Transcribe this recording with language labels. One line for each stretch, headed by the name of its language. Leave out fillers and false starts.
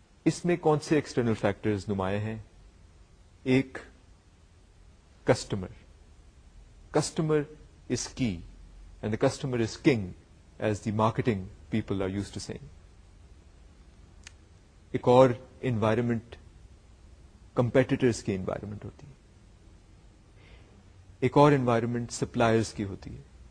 Urdu: اس میں کون سے ایکسٹرنل فیکٹرز نمایاں ہیں؟ ایک کسٹمر.
English: Customer is key and the customer is king as the marketing people are use to saying.
Urdu: ایک اور انوائرمنٹ کمپیٹیٹرز کی انوائرمنٹ ہوتی ہے. ایک اور انوائرمنٹ سپلائرز کی ہوتی ہے.